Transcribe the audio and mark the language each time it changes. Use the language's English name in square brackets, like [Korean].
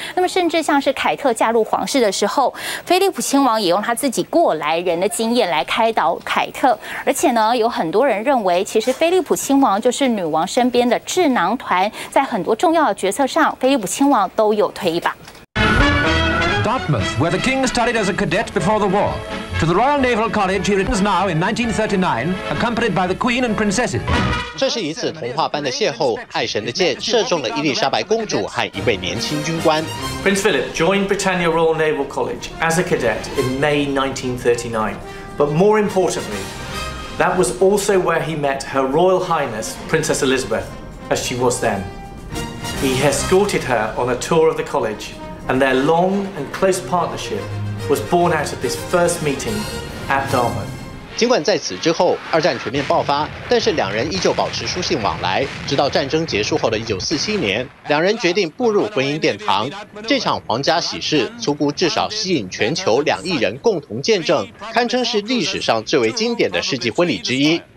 [Chinese] 那么甚至像是凯特嫁入皇室的时候，菲利普亲王也用他自己过来人的经验来开导凯特。而且呢，有很多人认为其实菲利普亲王就是女王身边的智囊团，在很多重要的决策上菲利普亲王都有推一把。 [English] Dartmouth, where the King studied as a cadet before the war. To the Royal Naval College he returns now in 1939, accompanied by the Queen and Princesses. [Chinese] 这是一次童话般的邂逅，爱神的箭射中了伊丽莎白公主和一位年轻军官。 [English] Prince Philip joined Britannia Royal Naval College as a cadet in May 1939, but more importantly, that was also where he met Her Royal Highness Princess Elizabeth, as she was then. He escorted her on a tour of the college. And their long and close partnership was born out of this first meeting at Dartmouth. [Chinese] 尽管在此之后二战全面爆发，但是两人依旧保持书信往来，直到战争结束后的1947年，两人决定步入婚姻殿堂。这场皇家喜事足足至少吸引全球两亿人共同见证，堪称是历史上最为经典的世纪婚礼之一。